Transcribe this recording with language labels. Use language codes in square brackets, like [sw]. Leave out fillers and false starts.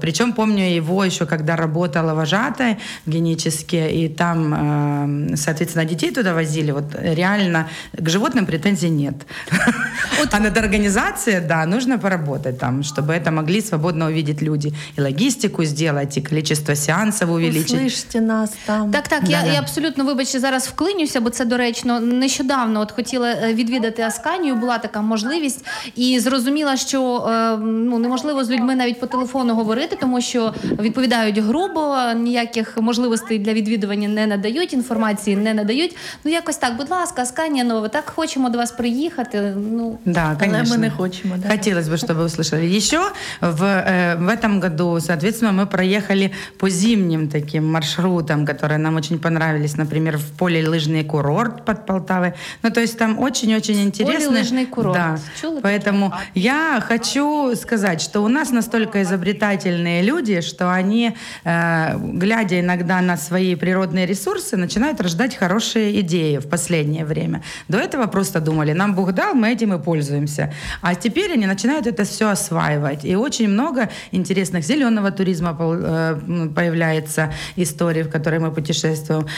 [ru] Причем помню его еще, когда работала вожатой генически, и там, соответственно, детей туда возили. Вот реально к животным претензий нет. Вот. А над организацией, да, нужно поработать там, чтобы это могли свободно увидеть люди. И логистику сделать, и количество сеансов увеличить. Услышьте нас там. [uk] Так-так, я абсолютно, вибачте, зараз вклинюся, бо це доречно. Нещодавно от хотіла відвідати Асканію, була така можливість, і зрозуміла, що неможливо з людьми навіть по телефону говорити, тому що відповідають грубо, ніяких можливостей для відвідування не надають, інформації не надають. Ну, якось так, будь ласка, Асканія Нова, так, хочемо до вас приїхати. Ну, да, але ми не хочемо. Да. Хотілося б, щоб ви [ru] услышали. [uk] Ще [ru] в этом году, соответственно, [uk] ми проїхали по зимнім таким маршрутам, які нам дуже понравились, наприклад, в полілижний курорт під Полтавою. Ну, тобто там дуже-дуже інтересно. Полілижний курорт. Да. [ru] Поэтому я хочу [uk] сказати, що у нас настільки [ru] изобретательные люди, что они, глядя иногда на свои природные ресурсы, начинают рождать хорошие идеи в последнее время. До этого просто думали, нам Бог дал, мы этим и пользуемся. А теперь они начинают это все осваивать. И очень много интересных зеленого туризма появляется, истории, в которой мы путешествуем.